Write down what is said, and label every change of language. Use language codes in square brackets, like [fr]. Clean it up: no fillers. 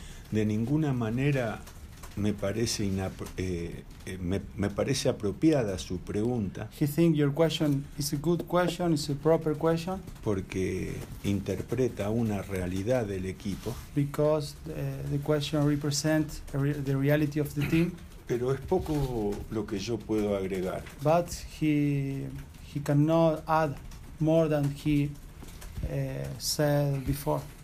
[es] De ninguna manera me parece me parece apropiada su pregunta. [en] He think your question is a good question, is a proper question. [es] Porque interpreta una realidad del equipo. [en] Because the question represents the reality of the team. [es] Pero es poco lo que yo puedo agregar. [en] But he cannot add more than he said before.